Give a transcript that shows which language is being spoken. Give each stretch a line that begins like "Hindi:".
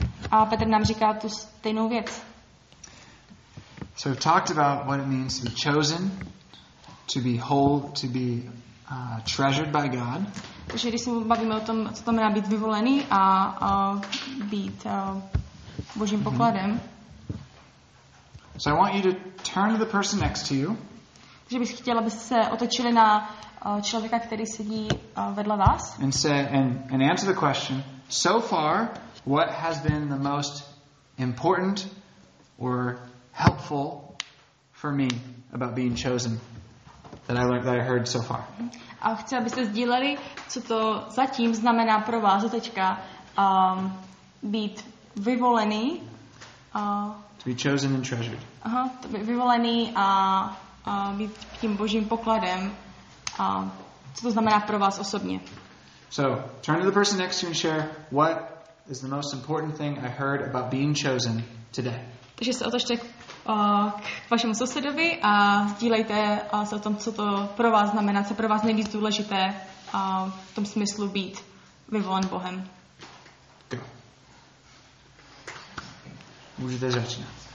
Czech: A Petr nám říká tu stejnou věc.
English: So we've talked about what it means to be chosen, to be whole, to be treasured by God.
Czech: Takže když se bavíme o tom, co to znamená být vyvolený a být Božím pokladem. Mm-hmm.
English: So I want you to turn to the person next to you.
Czech: Takže bych chtěla, abyste se otočili na člověka, který sedí vedle vás.
English: And say and answer the question. So far, what has been the most important or helpful for me about being chosen that I learned, that I heard so far?
Czech: A chci, abyste sdíleli, co to zatím znamená pro vás teďka být vyvolený.
English: To be chosen and treasured.
Czech: Aha, to být vyvolený a být tím Božím pokladem. Co to znamená pro vás osobně?
English: So, turn to the person next to you and share what is the most important thing I heard about being chosen today.
Czech: Takže se otočte k vašemu sousedovi a sdílejte se o tom, co to pro vás znamená, co pro vás nejvíc důležité v tom smyslu být vyvolen Bohem.
English: Go.
Czech: Můžete začínat.